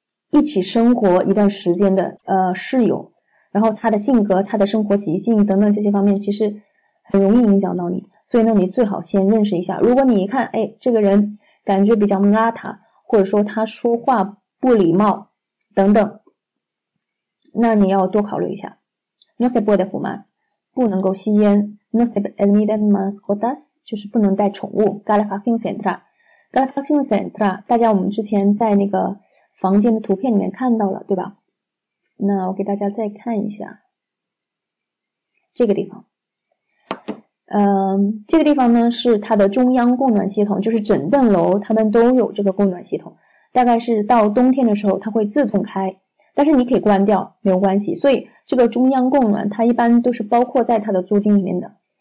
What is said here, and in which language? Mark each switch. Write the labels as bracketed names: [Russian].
[Chinese] 一起生活一段时间的室友，然后他的性格他的生活习性等等这些方面其实很容易影响到你，所以呢你最好先认识一下。如果你一看哎，这个人感觉比较邋遢，或者说他说话不礼貌等等，那你要多考虑一下。 [Spanish] No se puede fumar， [Chinese] 不能够吸烟。 [Spanish] No se permiten mascotas， [Chinese] 就是不能带宠物。 Calefacción central， Calefacción central 大家我们之前在那个房间的图片里面看到了，对吧。那我给大家再看一下这个地方，这个地方呢是它的中央供暖系统，就是整栋楼他们都有这个供暖系统，大概是到冬天的时候它会自动开，但是你可以关掉没有关系，所以这个中央供暖它一般都是包括在它的租金里面的。